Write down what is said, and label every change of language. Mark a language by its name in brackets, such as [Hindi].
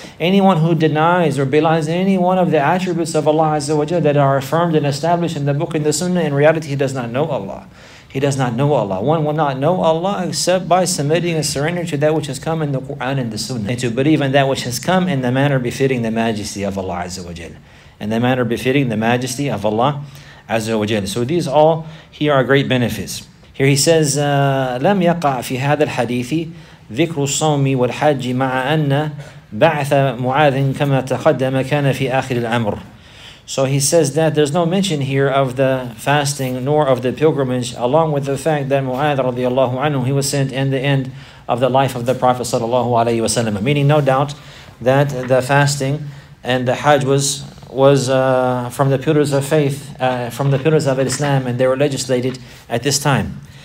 [English] Anyone who denies or belies any one of the attributes of Allah azza wa jalla that are affirmed and established in the book, in the sunnah, in reality, he does not know Allah. He does not know Allah. One will not know Allah except by submitting and surrendering to that which has come in the Quran and the Sunnah. And to believe in that which has come in the manner befitting the majesty of Allah Azza wa Jal. In the manner befitting the majesty of Allah Azza wa Jal. So these all here are great benefits. Here he says, [Arabic] لَمْ يَقَعْ فِي هَذَا الْحَدِيثِ ذِكْرُ الصَّوْمِ وَالْحَجِّ مَعَ أَنَّ بَعْثَ مُعَاذٍ كَمَا تَخَدَّمَ كَانَ فِي آخِرِ الْأَمْرِ. [English] So he says that there's no mention here of the fasting nor of the pilgrimage, along with the fact that Mu'adh radiallahu anhu, he was sent in the end of the life of the Prophet sallallahu alayhi wa sallam. Meaning no doubt that the fasting and the hajj was from the pillars of faith, from the pillars of Islam, and they were legislated at this time.